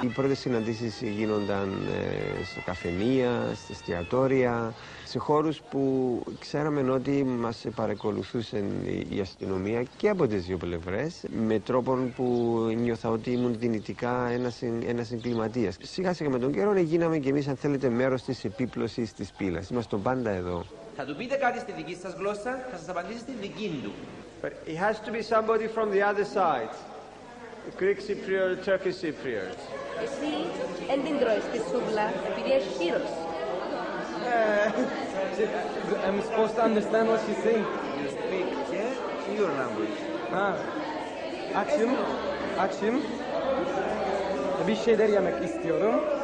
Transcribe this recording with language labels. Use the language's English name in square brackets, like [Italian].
[Greek] Οι πρώτες συναντήσεις γίνονταν σε καφενεία, σε εστιατόρια, σε χώρους που ξέραμε ότι μας παρακολουθούσαν η αστυνομία και από τις δύο πλευρές, με τρόπο που νιώθα ότι ήμουν δυνητικά ένας εγκληματίας. Σιγά σιγά με τον καιρό γίναμε και εμείς, αν θέλετε, μέρος της επίπλωσης της πύλας. Είμαστε πάντα εδώ. Θα του πείτε κάτι στη δική σας γλώσσα, θα σας απαντήσει στη δική του. [English] But it has to be somebody from the other side. The Greek Cypriot, Turkish Cypriot. [Greek] Εσύ, εν την τρώεις τη σούβλα, επειδή έχει χείρος. [English] I'm supposed to understand what she's saying. You speak Czech, your language. [Turkish] Açım. Bir şeyler yemek istiyorum.